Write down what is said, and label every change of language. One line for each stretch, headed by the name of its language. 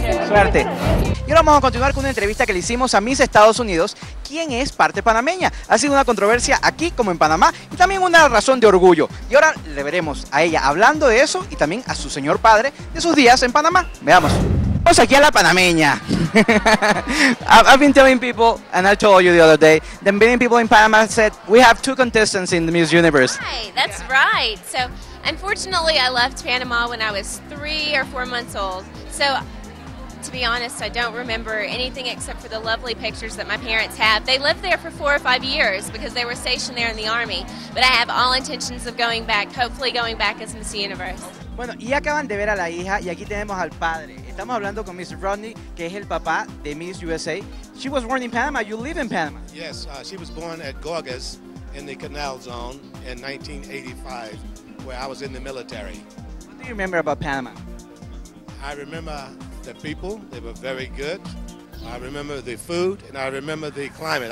Spanish: Suerte. Y ahora vamos a continuar con una entrevista que le hicimos a Miss Estados Unidos, quien es parte panameña. Ha sido una controversia aquí como en Panamá y también una razón de orgullo. Y ahora le veremos a ella hablando de eso y también a su señor padre de sus días en Panamá. Veamos. Vamos aquí a la panameña.
English: I've been telling people, and I told you the other day, the many people in Panama said we have two contestants in the Miss Universe. Right, that's right. So, unfortunately, I left Panama when I was 3 or 4 months old. So, to be honest, I don't remember anything except for the lovely pictures that my parents have. They lived there for 4 or 5 years because they were stationed there in the army. But I have all intentions of going back, hopefully going back as Miss Universe.
Spanish: Bueno, y acaban de ver a la hija y aquí tenemos al padre. Estamos hablando con Mr. Rodney, que es el papá de Miss USA.
English: She was born in Panama. You live in Panama. Yes, she was born at Gorgas in the Canal Zone in 1985, where I was in the military. What do you remember about Panama? I remember the people. They were very good. I remember the food, and I remember the climate.